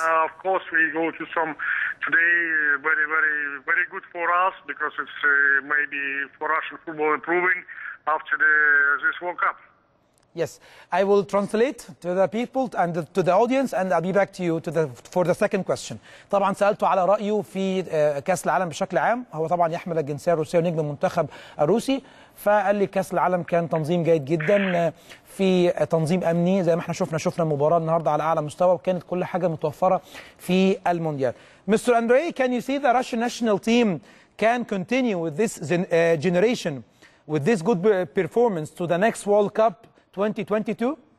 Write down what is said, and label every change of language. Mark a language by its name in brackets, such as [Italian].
[English] Of course, we go to some today very, very, very good for us because it's maybe for Russian football improving after this World Cup. Yes, I will translate to the people and to the audience, and I'll be back to you for the second question. [Arabic] طبعا سألته على رأيه في كأس العالم بشكل عام. هو طبعا يحمل الجنسية الروسية ونجم المنتخب الروسي. فقال لي كأس العالم كان تنظيم جيد جدا في تنظيم أمني زي ما احنا شفنا مباراة النهاردة على أعلى مستوى وكانت كل حاجة متوفرة في المونديال. [English] Mr. Andrei, can you see the Russian national team can continue with this generation, with this good performance to the next World Cup 2022?